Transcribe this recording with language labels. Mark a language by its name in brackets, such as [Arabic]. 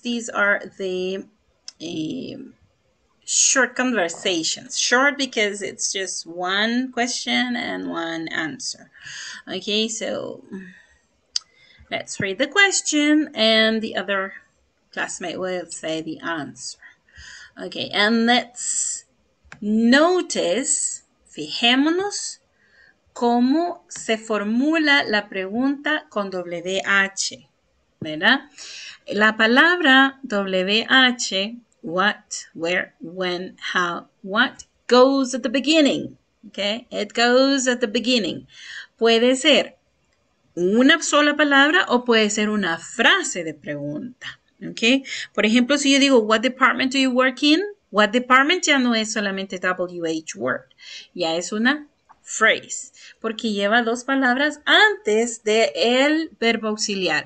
[English] These are the short conversations. Short because it's just one question and one answer. Okay, so let's read the question and the other classmate will say the answer. Okay, and let's notice. [Spanish] Fijémonos cómo se formula la pregunta con WH, ¿verdad? La palabra [English] WH, what, where, when, how, what, goes at the beginning, okay? It goes at the beginning. [Spanish] Puede ser una sola palabra o puede ser una frase de pregunta, okay? Por ejemplo, si yo digo, [English] what department do you work in? [Spanish] What department ya no es solamente WH word, ya es una phrase, porque lleva dos palabras antes del verbo auxiliar.